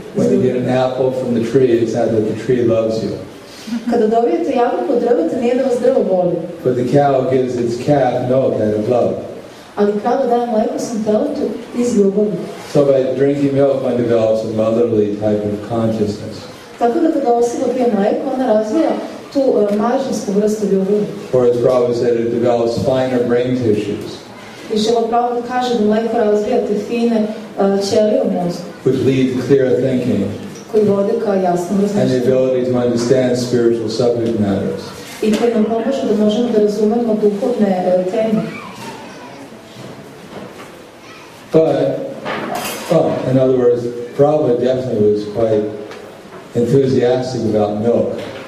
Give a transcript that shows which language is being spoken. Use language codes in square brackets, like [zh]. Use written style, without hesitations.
[en] When you get an apple from the tree, it's said that the tree loves you. [hr] Kada dobijete jabuku od drva, to nije da vas drvo boli. [en] But the cow gives its calf milk out of love. [hr] Ali krava daje mlijeko svom teletu iz ljubavi. [en] So by drinking milk, one develops a motherly type of consciousness. [hr] Tako da kada osoba pije mlijeko, ona razvija tu majčinsku vrstu ljubavi. [en] Or as Prabhupada said, it develops finer brain tissues. [hr] I Šrila Prabhupada kaže da mlijeko razvija te fine ćelije u mozgu. [en] Which lead to clearer thinking. [hr] Koji vode ka jasnom razmišljenju. [en] And the ability to understand spiritual subject matters. [hr] I koji nam pomože da možemo da razumemo duhovne teme. [en] But, in other words, Prabhupada definitely was quite enthusiastic about milk.